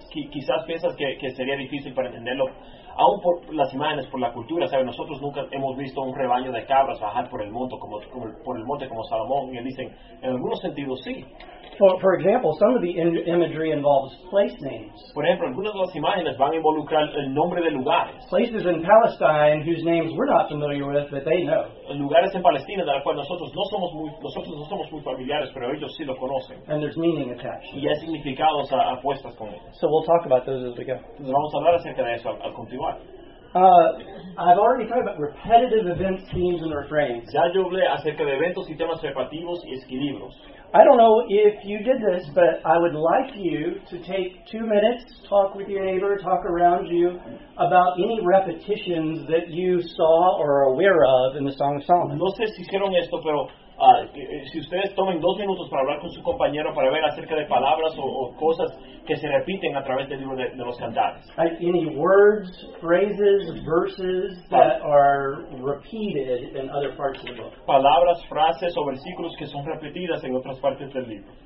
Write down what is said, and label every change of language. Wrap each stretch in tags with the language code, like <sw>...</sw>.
<es>quizás piensas que sería difícil para entenderlo aún por las imágenes, por la cultura, ¿sabes? Nosotros nunca hemos visto un rebaño de cabras bajar por el monte como Salomón, y dicen en algunos sentidos sí.</es> <en>For example, some of the imagery involves place names.</en> <es>Por ejemplo, algunas de las imágenes van a involucrar el nombre de lugares.</es> <en>Places in Palestine whose names we're not familiar with, but they know.</en> <es>Lugares en Palestina de los cuales nosotros no somos muy familiares, pero ellos sí lo conocen.</es> <en>And there's meaning attached.</en> <es>Y hay significados apuestos con ellos.</es> <en>So we'll talk about those as we go.</en> <es>Entonces vamos a hablar acerca de eso al continuar.</es> <en>I've already talked about repetitive events, themes, and refrains.</en> <es>Ya yo hablé acerca de eventos y temas repetitivos y equilibrios.</es> <en>I don't know if you did this, but I would like you to take 2 minutes, talk with your neighbor, talk around you about any repetitions that you saw or are aware of in the Song of Solomon.</en> <es>No sé si hicieron esto, pero Si ustedes tomen dos minutos para hablar con su compañero para ver acerca de palabras o cosas que se repiten a través del libro de los cantares.</es> <en>Any words, phrases, verses that are repeated in other parts of the book.</en> <es>Palabras, frases o versículos que son repetidas en otras partes del libro.</es>